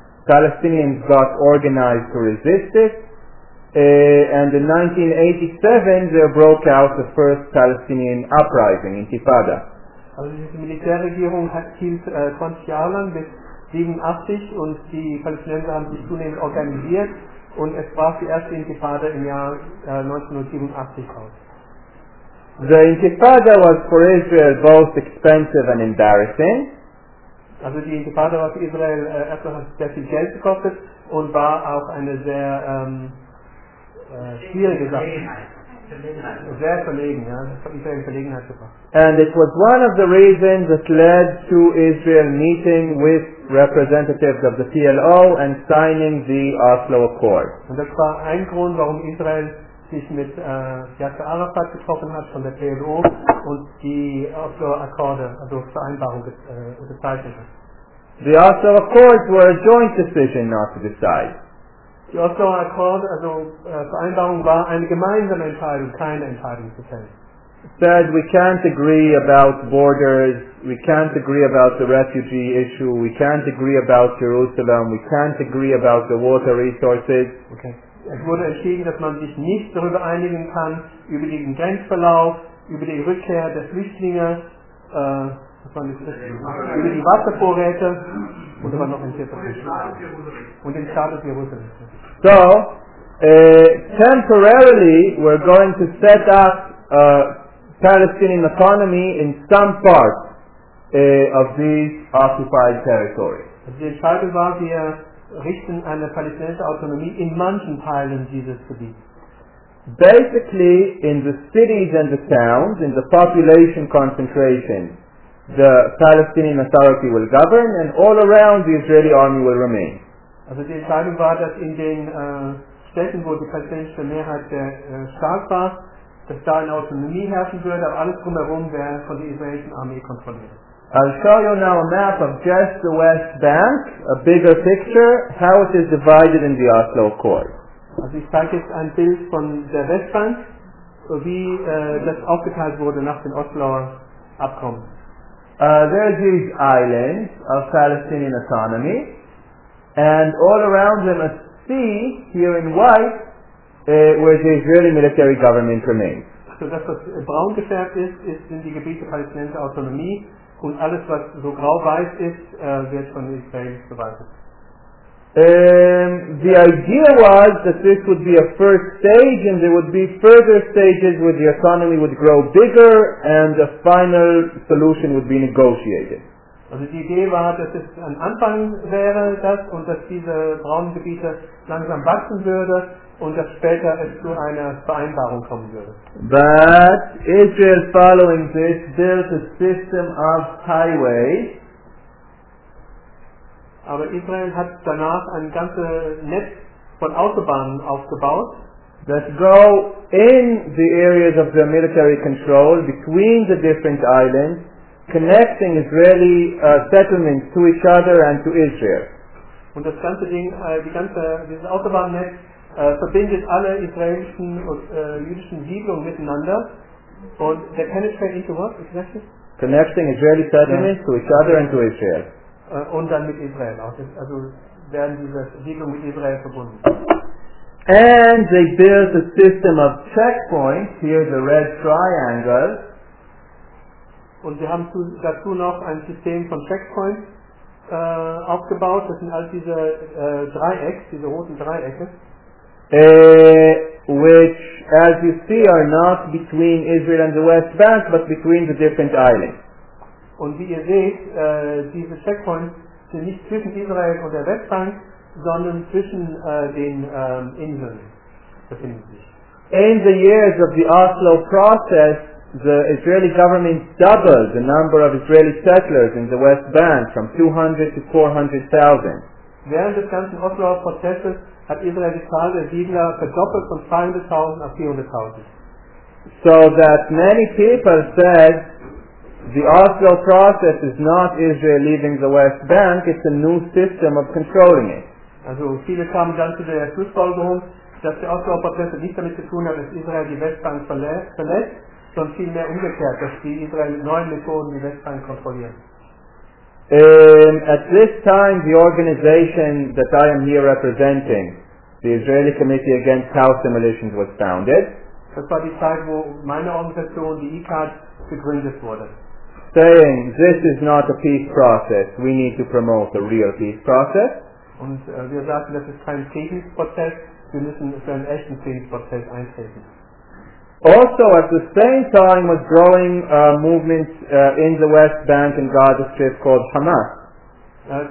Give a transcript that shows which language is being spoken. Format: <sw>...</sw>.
<en>Palestinians got organized to resist it, and in 1987 there broke out the first Palestinian uprising, Intifada.</en> <de>Also diese Militärregierung hielt 20 Jahre lang bis 87 und die Palästinenser haben sich zunehmend organisiert und es brach die erste Intifada im Jahr 1987 aus.</de> <en>The Intifada was for Israel both expensive and embarrassing.</en> <de>Also die Intifada war für Israel erstmal sehr viel Geld gekostet und war auch eine sehr schwierige Sache.</de> <en>And it was one of the reasons that led to Israel meeting with representatives of the PLO and signing the Oslo Accord.</en> <de>Und das war ein Grund, warum Israel sich mit Yasser Arafat getroffen hat von der PLO und die Oslo Akkorde, also Vereinbarung, bezeichnet hat.</de> <en>The Oslo Accords were a joint decision not to decide.</en> <de>Die Oslo Accord, also Vereinbarung, war eine gemeinsame Entscheidung, keine Entscheidung zu fällen.</de> <en>Said we can't agree about borders, we can't agree about the refugee issue, we can't agree about Jerusalem, we can't agree about the water resources.</en> <de>Okay. Es wurde entschieden, dass man sich nicht darüber einigen kann, über den Grenzverlauf, über die Rückkehr der Flüchtlinge, über die Wasservorräte, und aber noch ein vierter Punkt. Und den Status Jerusalem.</de> <en>So, temporarily we're going to set up a Palestinian autonomy in some part of these occupied territories.</en> <de>Die Entscheidung war, wir richten eine palästinensische Autonomie in manchen Teilen dieses Gebiets.</de> <en>Basically, in the cities and the towns, in the population concentration, the Palestinian Authority will govern, and all around the Israeli army will remain.</en> <de>Also die Entscheidung war, dass in den Städten, wo die palästinensische Mehrheit sehr stark war, dass da eine Autonomie herrschen würde, aber alles drumherum wäre von der israelischen Armee kontrolliert.</de> <en>I'll show you now a map of just the West Bank, a bigger picture, how it is divided in the Oslo Accord.</en> <de>Also ich zeige jetzt ein Bild von der Westbank, wie das aufgeteilt wurde nach dem Osloer Abkommen.</de> <en>There are these islands of Palestinian autonomy, and all around them a sea, here in white, where the Israeli military government remains.</en> <de>So das, was braun gefärbt ist, sind die Gebiete palästinensischer Autonomie, und alles, was so grau-weiß ist, wird von Israel verwaltet.</de> <en>The idea was that this would be a first stage, and there would be further stages where the autonomy would grow bigger, and a final solution would be negotiated.</en> <de>Also die Idee war, dass es ein Anfang wäre, das, und dass diese braunen Gebiete langsam wachsen würde, und dass später es zu einer Vereinbarung kommen würde.</de> <en>But Israel, following this, built a system of highways.</en> <de>Aber Israel hat danach ein ganzes Netz von Autobahnen aufgebaut,</de> <en>that go in the areas of the military control between the different islands, connecting Israeli settlements to each other and to Israel.</en> <de>Und das ganze Ding, dieses Autobahnnetz verbindet alle israelischen und jüdischen Siedlungen miteinander. Und der</de> <en>penetrate into what? Connecting Israeli settlements to each other and to Israel.</en> <de>Und dann mit Israel. Also werden diese Siedlungen mit Israel verbunden.</de> <en>And they built a system of checkpoints, here the red triangle.</en> <de>Und sie haben dazu noch ein System von Checkpoints aufgebaut. Das sind all diese Dreiecks, diese roten Dreiecke.</de> <en>Which, as you see, are not between Israel and the West Bank, but between the different islands.</en> <de>Und wie ihr seht, diese Checkpoints sind nicht zwischen Israel und der Westbank, sondern zwischen den Inseln befinden sich.</de> <en>In the years of the Oslo process, the Israeli government doubled the number of Israeli settlers in the West Bank from 200,000 to 400,000.</en> <de>Während des ganzen Osloer Prozesses hat Israel die Zahl der Siedler verdoppelt von 200,000</de> <en>to</en> <de>400,000.</de> <en>So that many people said the Oslo process is not Israel leaving the West Bank, it's a new system of controlling it.</en> <de>Also viele kamen dann zu der Schlussfolgerung, dass der Oslo Prozess nicht damit zu tun hat, dass Israel die Westbank verlässt, sondern vielmehr umgekehrt, dass die Israel mit neuen Methoden die Westbank kontrollieren.</de> <en>At this time, the organization that I am here representing, the Israeli Committee Against House Demolitions, was founded.</en> <de>Das war die Zeit, wo meine Organisation, die ICAD, gegründet wurde.</de> <en>Saying, this is not a peace process, we need to promote a real peace process.</en> <de>Und wir sagten, das ist kein Friedensprozess, wir müssen für einen echten Friedensprozess eintreten.</de> <en>Also, at the same time, was growing a movement in the West Bank and Gaza Strip called Hamas.</en>